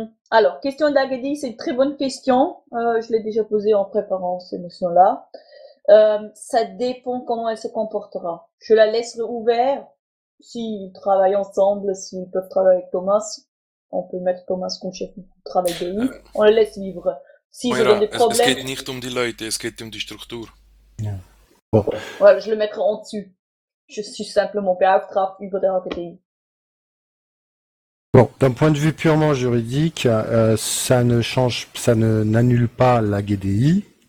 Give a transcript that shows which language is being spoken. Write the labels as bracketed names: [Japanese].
[French] Alors, question de la GDI, c'est une très bonne question. Je l'ai déjà posée en préparant ces notions-là. Ça dépend comment elle se comportera. Je la laisserai ouverte. S'ils travaillent ensemble, s'ils peuvent travailler avec Thomas, on peut mettre Thomas comme chef de travail de lui. On la laisse vivre. S'ils ont des problèmes. [German] Es geht nicht um die Leute, es geht um die Struktur. [French] Bon. Ouais, je le mettrai en dessus. Je suis simplement [German] beauftragt über der [French] GDI. Bon, d'un point de vue purement juridique, ça ne change, ça ne, n'annule pas la GDI.